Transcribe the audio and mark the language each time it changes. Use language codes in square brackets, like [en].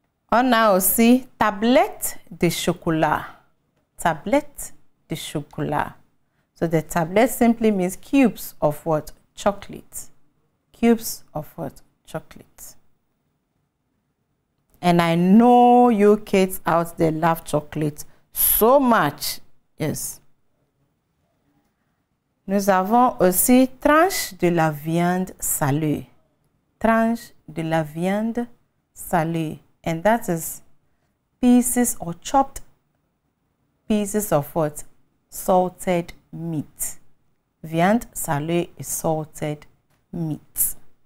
[fr] On a aussi tablette de chocolat. Tablette de chocolat. [en] So the tablette simply means cubes of what? Chocolate. Cubes of what? Chocolate. And I know you kids out there love chocolate so much. Yes. [fr] Nous avons aussi tranche de la viande salée. Tranche de la viande salée. [en] And that is pieces or chopped pieces of what? Salted meat. Viande salée is salted meat.